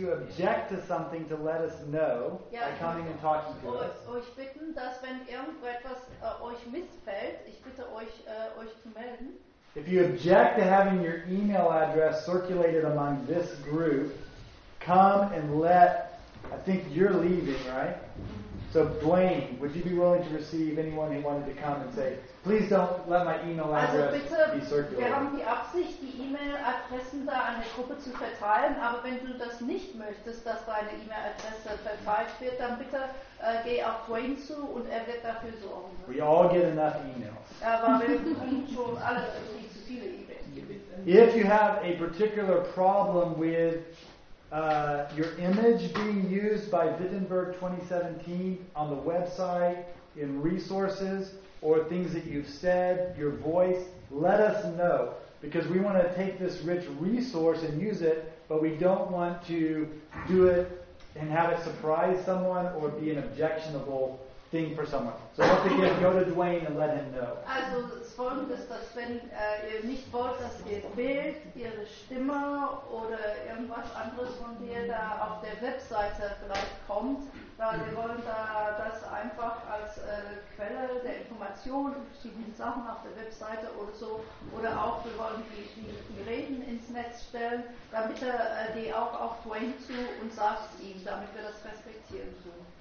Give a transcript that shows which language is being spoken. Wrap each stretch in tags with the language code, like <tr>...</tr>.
<en>To let us know by coming and talking to us.</en> <de>Euch bitten, dass wenn irgendetwas euch missfällt, ich bitte euch euch zu melden.</de> <en>If you object to having your email address circulated among this group, come and let. I think you're leaving, right? So Dwayne, would you be willing to receive anyone who wanted to come and say, please don't let my email address be circulated?</en> <de>Wir haben die Absicht, die E-Mail-Adressen da an der Gruppe zu verteilen, aber wenn du das nicht möchtest, dass deine E-Mail-Adresse verteilt wird, dann bitte geh auf Dwayne zu und er wird dafür sorgen.</de> <en>We all get enough emails.</en> <de>Aber wir bekommen schon alle irgendwie zu viele E-Mails.</de> <en>If you have a particular problem with your image being used by Wittenberg 2017 on the website, in resources, or things that you've said, your voice, let us know. Because we want to take this rich resource and use it, but we don't want to do it and have it surprise someone or be an objectionable thing for someone. So once again, go to Dwayne and let him know.</en> <de>Also, das Folgende ist, dass wenn ihr nicht wollt, dass ihr Bild, ihre Stimme oder irgendwas anderes von dir da auf der Webseite vielleicht kommt, weil wir wollen da das einfach als Quelle der Information, verschiedene Sachen auf der Webseite oder so, oder auch wir wollen die Reden ins Netz stellen, damit er die auch auf Dwayne zu und sagt es ihm, damit wir das respektieren können.</de>